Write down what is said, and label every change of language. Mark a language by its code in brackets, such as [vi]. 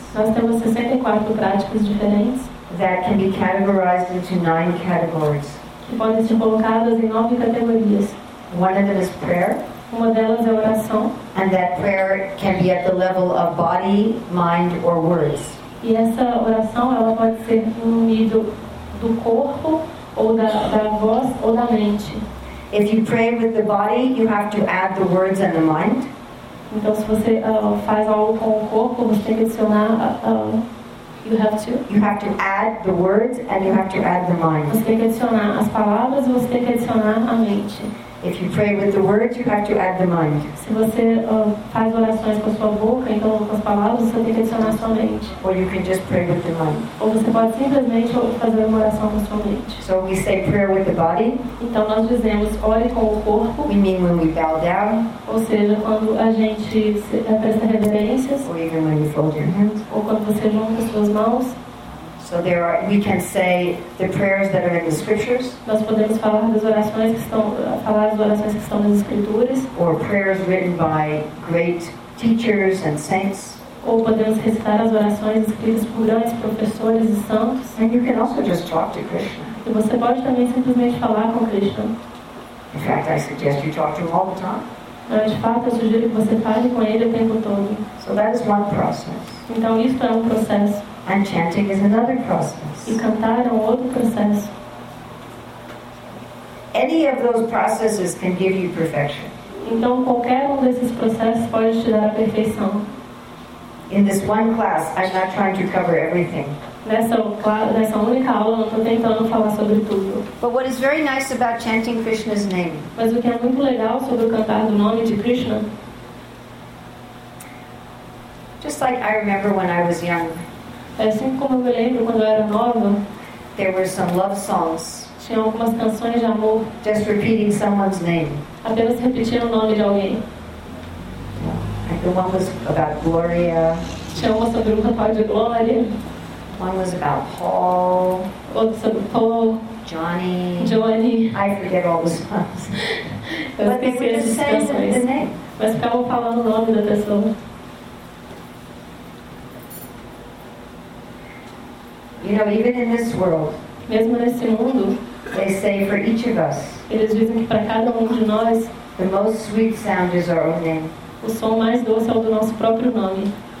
[pt] Nós temos 64 práticas diferentes. [en] That can be categorized into 9 categories. [pt] Que podem ser colocadas em 9 categorias. [en] One of them is prayer. [pt] Uma delas é oração. [en] And that prayer can be at the level of body, mind, or words. [pt] E essa oração ela pode ser no nível do corpo. Ou da voz ou da mente. [en] If you pray with the body, you have to add the words and the mind. [pt] Então se você faz algo com o corpo, você tem que adicionar [en] You have to add the words and you have to add the mind. [pt] Você tem que adicionar as palavras, você tem que adicionar a mente. [en] If you pray with the words, you have to add the mind. [pt] Se você faz orações com a sua boca, então com as palavras, você tem que adicionar a sua mente. [en] Or you can just pray with the mind. [pt] Ou você pode simplesmente fazer uma oração com a sua mente. [en] So we say prayer with the body. [pt] Então nós dizemos ore com o corpo. [en] We mean when we bow down. [pt] Ou seja, quando a gente presta reverências. [en] Or even when you fold your hands. [pt] Ou quando você junta as suas mãos. [en] So there are, we can say the prayers that are in the scriptures. [pt] Nós podemos falar das orações que estão, nas escrituras. [en] Or prayers written by great teachers and saints. [pt] Ou podemos recitar as orações escritas por grandes professores e santos. [en] And you can also just talk to Krishna. [pt] E você pode também simplesmente falar com Krishna. [en] In fact, I suggest you talk to him all the time. [pt] Mas, de fato, eu sugiro que você fale com ele o tempo todo. [en] So that is one process. [pt] Então isso é um processo. [en] And chanting is another process. [pt] E cantar é um outro processo. [en] Any of those processes can give you perfection. [pt] Então qualquer desses processos pode te dar a perfeição. [en] In this one class, I'm not trying to cover everything. [pt] Nessa única aula, não estou tentando falar sobre tudo. [en] But what is very nice about chanting Krishna's name? [pt] Mas o que é muito legal sobre o cantar do nome de Krishna? [en] Just like I remember when I was young. [pt] É assim como eu me lembro quando eu era nova. [en] There were some love songs. [pt] Tinha algumas canções de amor. [en] Just repeating someone's name. [pt] Apenas repetindo o nome de alguém. [en] The one was about Gloria. [pt] Tinha uma sobre o papai de Glória. [en] One was about Paul. [pt] Outro sobre Paul. [en] Johnny. [pt] Johnny. [en] I forget all the songs. But they were just saying the name. [pt] Mas ficavam falando o nome da pessoa. [en] You know, even in this world, [pt] mesmo nesse mundo, [en] they say for each of us, [pt] eles dizem que para cada de nós, [en] the most sweet sound is our own name. [pt] O som mais doce é o do nosso próprio nome.